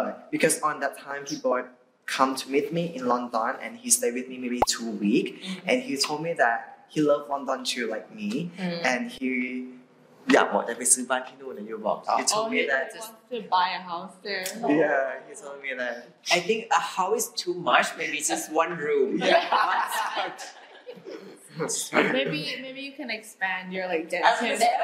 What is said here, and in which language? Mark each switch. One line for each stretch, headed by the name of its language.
English: Because on that time, people come to meet me in London, and he stayed with me maybe 2 weeks, and he told me that he loved London too, like me, and he.
Thai: อยากบอกจะไปซื้อบ้านที่นู่นนะโยบอก
English: he told me that just to buy a house there yeah he told me that I think a house is too much maybe just one room maybe you can expand your like dentist